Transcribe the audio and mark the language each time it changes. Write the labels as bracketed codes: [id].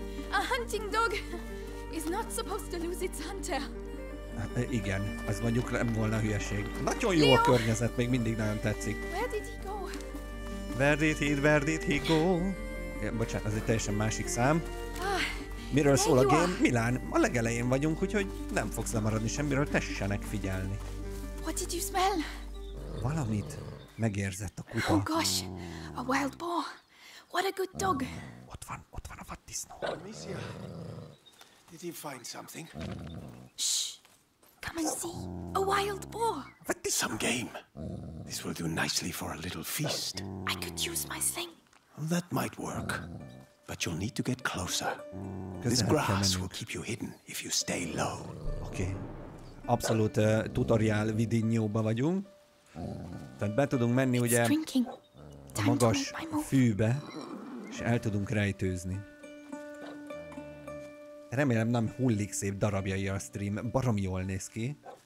[en] A hunting dog is not supposed to lose its hunter. [hu] Igen, ez mondjuk nem volna hülyeség. Nagyon jó Leo. A környezet, még mindig nagyon tetszik. [en] Where did he go? Verdit hígó. [hu] Ja, bocsánat, ez egy teljesen másik szám. Miről szól a game? Milán, a legelején vagyunk, úgyhogy nem fogsz lemaradni semmiről, tessenek figyelni. [en] What did you smell? [hu] Valamit megérzett a kutya. [en] Oh gosh, a wild boar. What a good dog. [hu] Ott van a vaddisznó. [en] Amicia, did he find something? Shh, come and see. A wild boar. What is some game? This will do nicely for a little feast. I could use my sling. That might work, but you'll need to get closer. This grass will keep you hidden if you stay low. Okay. [hu] Abszolút tutorial vidinyóba vagyunk. Tehát be tudunk menni, [en] it's [hu] ugye [en] drinking. [hu] A magas fűbe, és el tudunk rejtőzni. Remélem nem hullik szép darabjai a stream, barom jól néz ki.